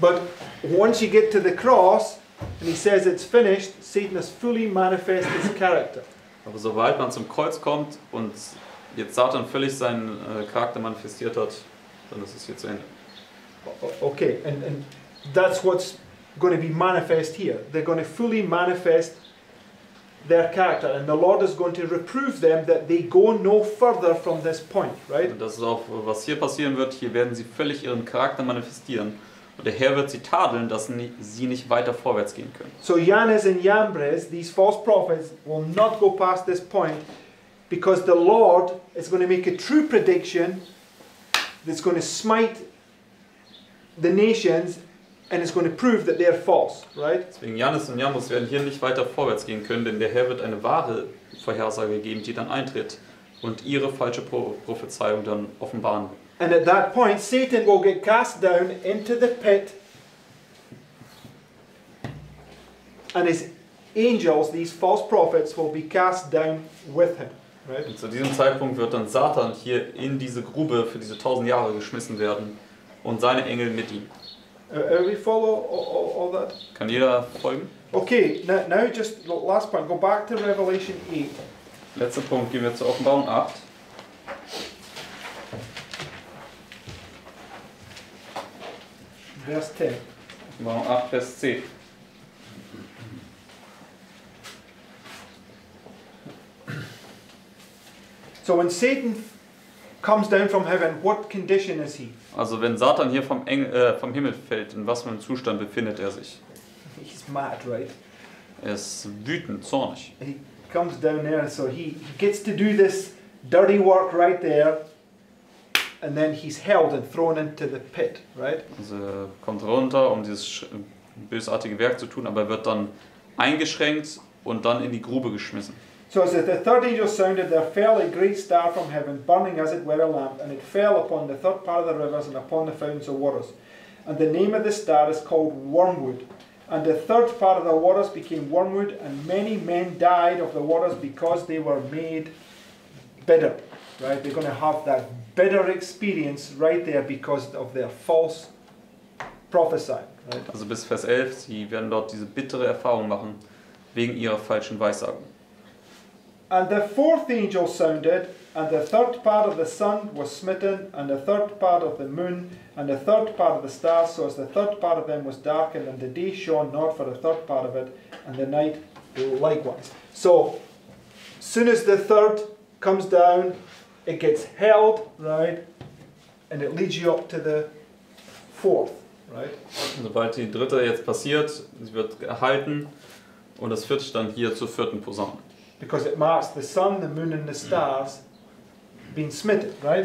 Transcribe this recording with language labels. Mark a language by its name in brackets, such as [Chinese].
[English] But once you get to the cross and he says it's finished, Satan has fully manifested his character. [German] Aber sobald man zum Kreuz kommt und jetzt Satan völlig seinen Charakter manifestiert hat, dann ist es hier zu Ende. [English] Okay, and that's what's going to be manifest here. They're going to fully manifest their character, and the Lord is going to reprove them that they go no further from this point, right? [German] Und das ist auch, was hier passieren wird. Hier werden sie völlig ihren Charakter manifestieren, und der Herr wird sie tadeln, dass sie nicht weiter vorwärts gehen können. [English] So Yannes and Yambres, these false prophets, will not go past this point. Because the Lord is going to make a true prediction that's going to smite the nations and it's going to prove that they are false, right? [German] Deswegen Yannes und Yambres werden hier nicht weiter vorwärts gehen können, denn der Herr wird eine wahre Vorhersage geben, die dann eintritt und ihre falsche Prophezeiung dann offenbaren. [English] And at that point, Satan will get cast down into the pit and his angels, these false prophets, will be cast down with him. Right. [German] Und zu diesem Zeitpunkt wird dann Satan hier in diese Grube für diese 1000 Jahre geschmissen werden und seine Engel mit ihm. [English] We follow all that? [German] Kann jeder folgen? [English] Okay, now just last point, go back to Revelation 8. [German] Letzter Punkt, gehen wir zur Offenbarung 8. Vers 10. Offenbarung 8, Vers 10. [English] So when Satan comes down from heaven, what condition is he? [German] Also wenn Satan hier vom Himmel fällt, in was für einem Zustand befindet er sich? [English] He's mad, right? [German] Er ist wütend, zornig. [English] He comes down there, so he gets to do this dirty work right there, and then he's held and thrown into the pit, right? [German] Also er kommt runter, um dieses bösartige Werk zu tun, aber er wird dann eingeschränkt und dann in die Grube geschmissen. [English] So as the third angel sounded, there fell a great star from heaven, burning as it were a lamp, and it fell upon the third part of the rivers and upon the fountains of waters. And the name of the star is called Wormwood. And the third part of the waters became wormwood, and many men died of the waters because they were made bitter. Right? They're going to have that bitter experience right there because of their false prophesying. Right? [German] Also bis Vers 11, sie werden dort diese bittere Erfahrung machen wegen ihrer falschen Weissagung. [English] And the fourth angel sounded, and the third part of the sun was smitten, and the third part of the moon, and the third part of the stars, so as the third part of them was darkened, and the day shone not for the third part of it, and the night likewise. So, as soon as the third comes down, it gets held, right, and it leads you up to the fourth, right? [German] Sobald die dritte jetzt passiert, sie wird gehalten, und das führt dann hier zur vierten Posaune. [English] Because it marks the sun, the moon and the stars being smitten, right?